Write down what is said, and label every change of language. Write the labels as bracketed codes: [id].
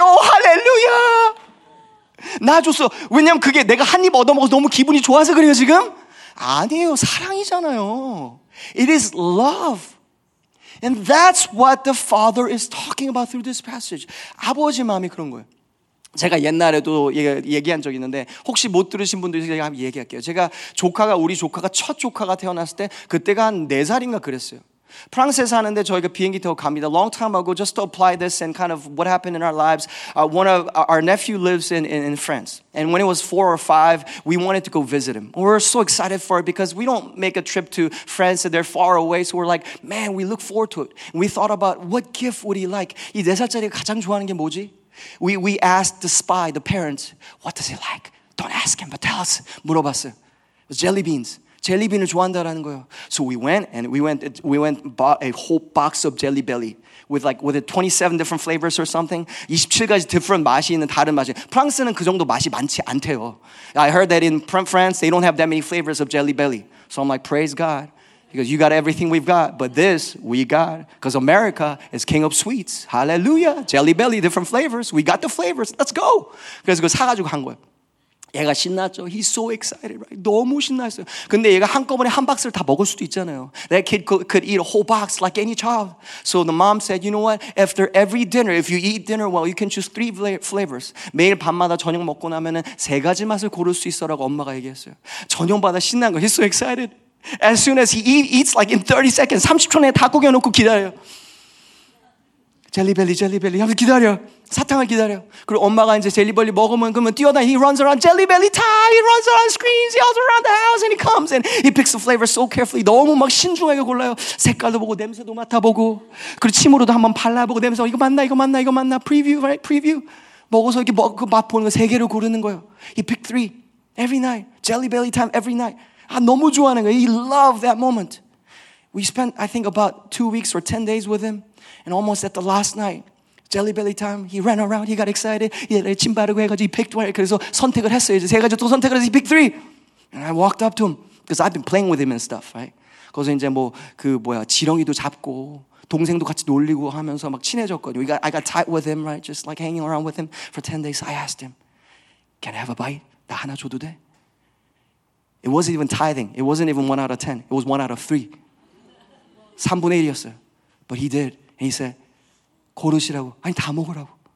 [ko] Oh, hallelujah. 나 줬어. 왜냐면 그게 내가 한 입 얻어먹어서 너무 기분이 좋아서 그래요, 지금? 아니에요. 사랑이잖아요. [en] It is love. And that's what the Father is talking about through this passage. [ko] 아버지 마음이 그런 거예요. 제가 옛날에도 얘기한 적이 있는데 혹시 못 들으신 분들 제가 한번 얘기할게요. 제가 조카가 우리 조카가 첫 조카가 태어났을 때 그때가 한 네 살인가 그랬어요. 프랑스에 사는데 저희가 비행기 타고 갑니다. [en] Long time ago, just to apply this and kind of what happened in our lives, one of our nephew lives in France. And when he was 4 or 5, we wanted to go visit him. We're so excited for it because we don't make a trip to France and they're far away. So we're like, man, we look forward to it. And we thought about what gift would he like? [ko] 이 네 살짜리가 가장 좋아하는 게 뭐지? [en] We asked the spy, the parents, what does he like? Don't ask him, but tell us. [ko] 물어봤어요. [en] It was jelly beans. [ko] 젤리빈을 좋아한다라는 거예요. [en] So we went bought a whole box of jelly belly with 27 different flavors or something. [ko] 27가지 different 맛이 있는 다른 맛이. 프랑스는 그 정도 맛이 많지 않대요. [en] I heard that in France they don't have that many flavors of jelly belly. So I'm like, praise God. He goes, you got everything we've got, but this we got. Because America is king of sweets. Hallelujah. Jelly belly, different flavors. We got the flavors. Let's go. [ko] 그래서 그거 사가지고 한 거예요. 얘가 신났죠. [en] He's so excited, right? [ko] 너무 신났어요. 근데 얘가 한꺼번에 한 박스를 다 먹을 수도 있잖아요. [en] That kid could eat a whole box like any child. So the mom said, you know what? After every dinner, if you eat dinner well, you can choose 3 flavors. [ko] 매일 밤마다 저녁 먹고 나면은 세 가지 맛을 고를 수 있어라고 엄마가 얘기했어요. 저녁마다 신난 거. [en] He's so excited. As soon as he eats, like in 30 seconds, [ko] 30초 내에 다 구겨놓고 기다려요. 젤리벨리, 젤리벨리. 하면서 기다려. 사탕을 기다려. 그리고 엄마가 이제 젤리벨리 먹으면 그러면 뛰어다니. [en] He runs around jelly belly time. He runs around screams. He yells around the house and he comes and he picks the flavor so carefully. [ko] 너무 막 신중하게 골라요. 색깔도 보고 냄새도 맡아보고 그리고 침으로도 한번 발라보고 냄새 이거 맞나 이거 맞나 이거 맞나 [en] preview right preview [ko] 먹어서 이렇게 먹 그 맛 보는 거 세 개를 고르는 거예요. [en] He picked 3 every night jelly belly time every night. [ko] 아 너무 좋아하는 거예요. [en] He loved that moment. We spent I think about 2 weeks or 10 days with him and almost at the last night. Jelly belly time. He ran around. He got excited. He [ko] 침 바르고 해가지고 [en] he picked one. [ko] 그래서 선택을 했어요. 이제 세 가지 또 선택을 해서 [en] he picked 3. And I walked up to him because I've been playing with him and stuff, right? [ko] 그래서 이제 뭐 그 뭐야 지렁이도 잡고 동생도 같이 놀리고 하면서 막 친해졌거든요. [en] I got tight with him, right? Just like hanging around with him for 10 days. I asked him, "Can I have a bite? [ko] 나 하나 줘도 돼?" [en] It wasn't even tithing. It wasn't even 1 out of 10. It was 1 out of 3. [ko] 3분의 1이었어요. [en] But he did. And he said. [ko] 고르시라고. 아니, 다 먹으라고.